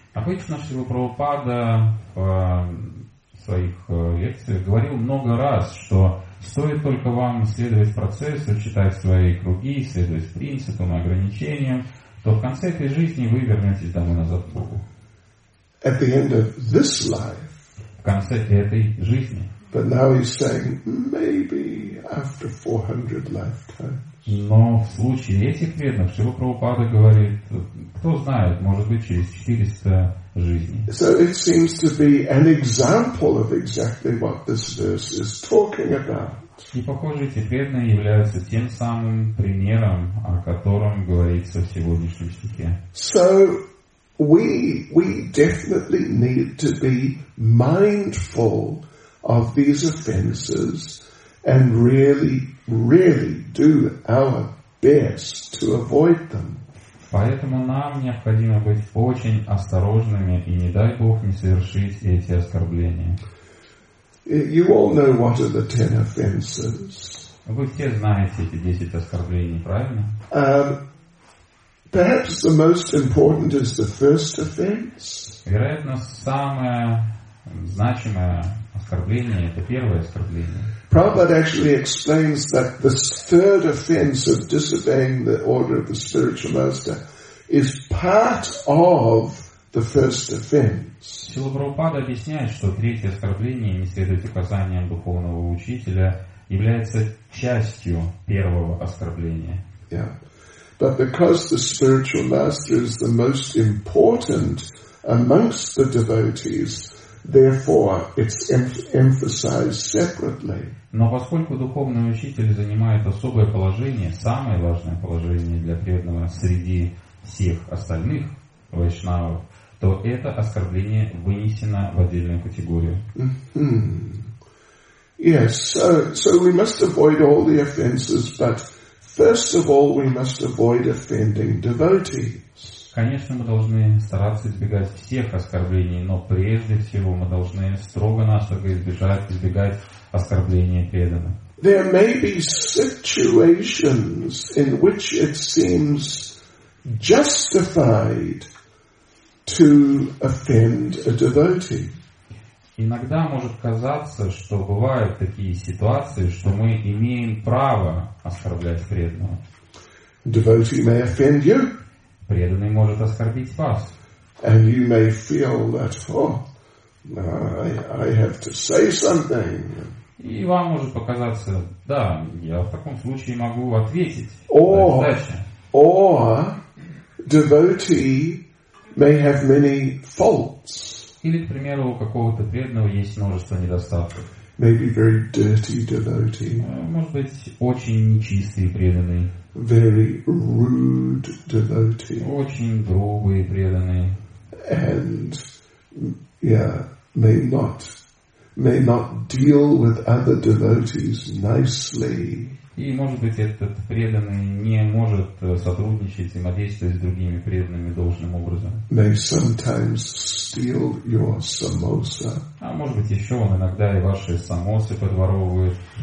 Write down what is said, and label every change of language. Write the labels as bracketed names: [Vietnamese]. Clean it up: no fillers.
[Russian] Обычно Шрила Прабхупада в своих лекциях говорил много раз, что стоит только вам следовать процессу, читать свои круги, следовать принципам и ограничениям, то в конце этой жизни вы вернетесь домой назад к Богу. [English] At the end of this life. [Russian] В конце этой жизни. [English] But now he's saying maybe after 400 lifetimes. [Russian] Но в случае этих преданных Шрила Прабхупада говорит, кто знает, может быть через 400 жизней. [English] So it seems to be an example of exactly what this verse is talking about. [Russian] И похоже, эти преданные являются тем самым примером, о котором говорится в сегодняшнем стихе. [English] So we definitely need to be mindful of these offenses and really, really do our best to avoid them. [Russian] Поэтому нам необходимо быть очень осторожными и, не дай Бог, не совершить эти оскорбления. [English] You all know what are the 10 offenses. [Russian] Вы все знаете эти 10 оскорблений, правильно? [English] Perhaps the most important is the first offense. [Russian] Вероятно, самое значимое оскорбление — это первое оскорбление. [English] Prabhupada actually explains that the third offense of disobeying the order of the spiritual master is part of the first offense. [Russian] Шрила Прабхупада объясняет, что третье оскорбление, не следует указаниям духовного учителя, является частью первого оскорбления. [English] Yeah. But because the spiritual master is the most important amongst the devotees, therefore it's emphasized separately. [Russian] Но поскольку духовный учитель занимает особое положение, самое важное положение для преданного среди всех остальных вайшнавов, то это оскорбление вынесено в отдельную категорию. [English] Yes, so we must avoid all the offenses, but first of all we must avoid offending devotees. [Russian] Конечно, мы должны стараться избегать всех оскорблений, но прежде всего мы должны строго-настрого избегать оскорбления преданных. [English] There may be situations in which it seems justified to offend a devotee. [Russian] Иногда может казаться, что бывают такие ситуации, что мы имеем право оскорблять преданного. [English] Devotee may offend you. [Russian] Преданный может оскорбить вас. [English] And you may feel that, I have to say something. [Russian] И вам может показаться, да, я в таком случае могу ответить. [English] Or devotee may have many faults. [Russian] Или, к примеру, у какого-то преданного есть множество недостатков. [English] Maybe very dirty devotee. [Russian] Может быть, очень нечистый преданный. [English] Very rude devotee. [Russian] Очень грубый преданный. [English] And may not deal with other devotees nicely. [Russian] И, может быть, этот преданный не может сотрудничать, взаимодействовать с другими преданными должным образом. [English] May sometimes steal your samosa. [Russian] А может быть, еще он иногда и ваши самосы подворовывает.